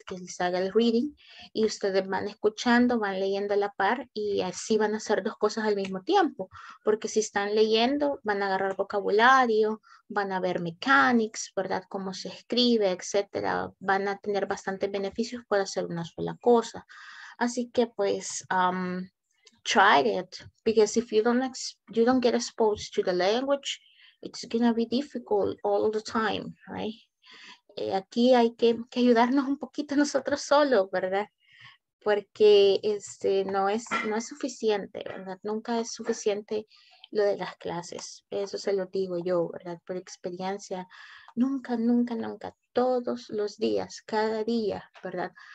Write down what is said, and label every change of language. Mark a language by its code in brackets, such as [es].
[es] Que les haga el reading y ustedes van escuchando, van leyendo a la par y así van a hacer dos cosas al mismo tiempo, porque si están leyendo van a agarrar vocabulario, van a ver mechanics, ¿verdad? Cómo se escribe, etcétera. Van a tener bastantes beneficios por hacer una sola cosa. Así que pues, [en] try it, because if you don't get exposed to the language, it's gonna be difficult all the time, right? [es] Aquí hay que ayudarnos un poquito nosotros solos, ¿verdad? Porque no es suficiente, ¿verdad? Nunca es suficiente lo de las clases. Eso se lo digo yo, ¿verdad? Por experiencia, nunca, nunca, nunca, todos los días, cada día, ¿verdad?